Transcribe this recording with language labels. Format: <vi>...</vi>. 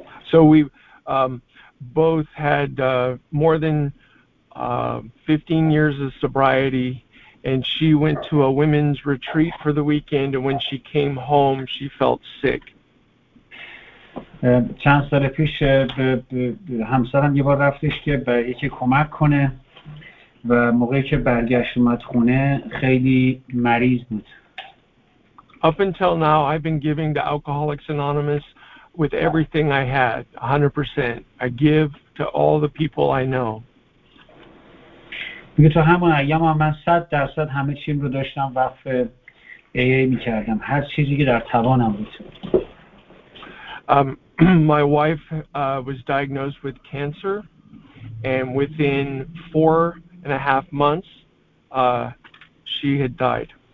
<en>So we both had more than 15 years of sobriety, and she went to a women's retreat for the weekend, and when she came home, she felt sick.</en> <fa>چند سال پیش همسرم یه بار رفتش که به یکی کمک کنه و موقعی که برگشت اومد خونه خیلی مریض بود.</fa> <en>Up until now, I've been giving to Alcoholics Anonymous with everything I had, 100%. I give to all the people I know.</en> <fa>میگه تو همون ایام من 100% همه چیم رو داشتم وقف AA میکردم. هر چیزی که در توانم بود.</fa> <en>My wife was diagnosed with cancer, and within 4.5 months, she had died.</en>